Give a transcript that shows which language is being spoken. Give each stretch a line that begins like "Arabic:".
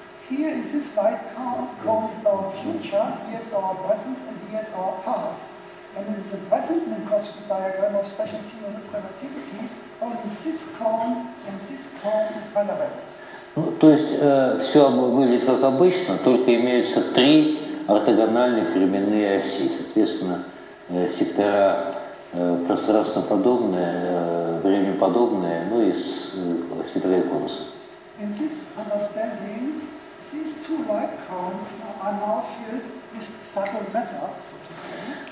English: Here in this light cone is our future, here is our presence, and here is our past. And in the present Minkowski diagram of special theory of relativity, only this cone and this cone is relevant.
Russian: Ну, то есть все выглядит как обычно, только имеются три ортогональных временные оси. Соответственно, сектора пространственно-подобные, время-подобные, ну и световые конусы.
English: In this understanding, these two light cones are now filled with subtle matter, so to say.